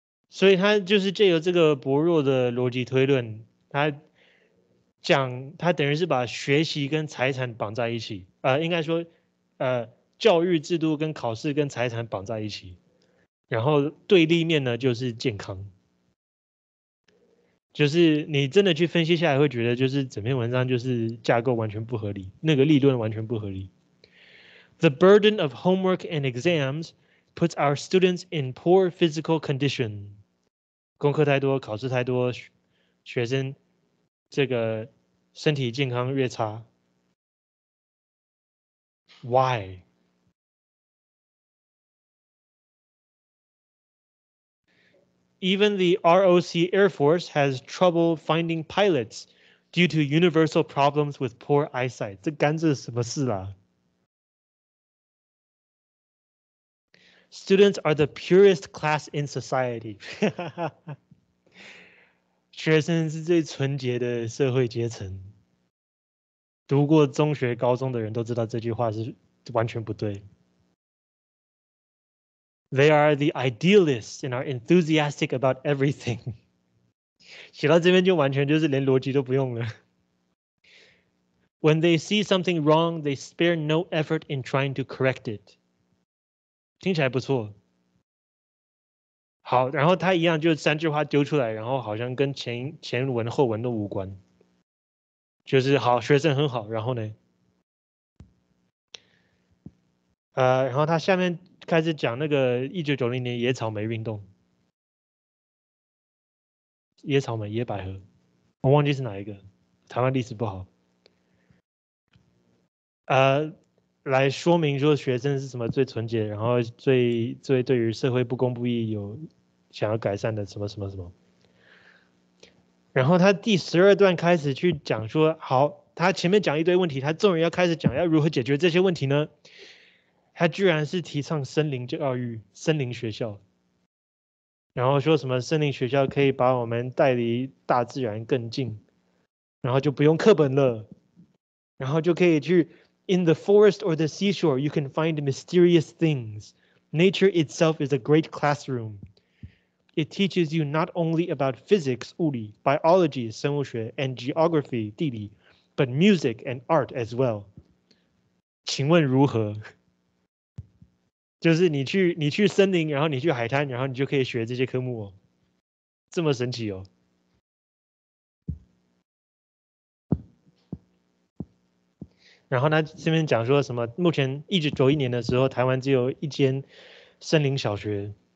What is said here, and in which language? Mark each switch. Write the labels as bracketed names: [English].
[Chinese] 所以他就是借由这个薄弱的逻辑推论，他等于是把学习跟财产绑在一起，应该说教育制度跟考试跟财产绑在一起，然后对立面呢就是健康，就是你真的去分析下来会觉得就是整篇文章就是架构完全不合理，那个立论完全不合理。 [English] The burden of homework and exams puts our students in poor physical condition. [Chinese] 功课太多，考试太多，学生这个身体健康越差。 [English] Why? 。Even the ROC Air Force has trouble finding pilots due to universal problems with poor eyesight. [Chinese] 这干这什么事啦？ [English] Students are the purest class in society. [Chinese] 学生是最纯洁的社会阶层。读过中学、高中的人都知道这句话是完全不对。 [English] They are the idealists and are enthusiastic about everything. [Chinese] 写到这边就完全就是连逻辑都不用了。 [English] When they see something wrong, they spare no effort in trying to correct it. [Chinese] 听起来不错。好，然后他一样就三句话丢出来，然后好像跟 前文后文都无关。就是好，学生很好，然后呢？然后他下面开始讲那个1990年野草莓运动。野草莓、野百合，我忘记是哪一个，台湾历史不好。来说明说学生是什么最纯洁，然后最对于社会不公不义有想要改善的什么什么什么。然后他第十二段开始去讲说，好，他前面讲一堆问题，他终于要开始讲要如何解决这些问题呢？他居然是提倡森林教育、森林学校，然后说什么森林学校可以把我们带离大自然更近，然后就不用课本了。然后就可以去 [English] In the forest or the seashore, you can find mysterious things. Nature itself is a great classroom. It teaches you not only about physics, 物理 biology, 生物学 and geography, 地理 but music and art as well. [Chinese] 请问如何？就是你去森林，然后你去海滩，然后你就可以学这些科目哦，这么神奇哦。然后他这边讲说什么？目前1991年的时候，台湾只有一间森林小学。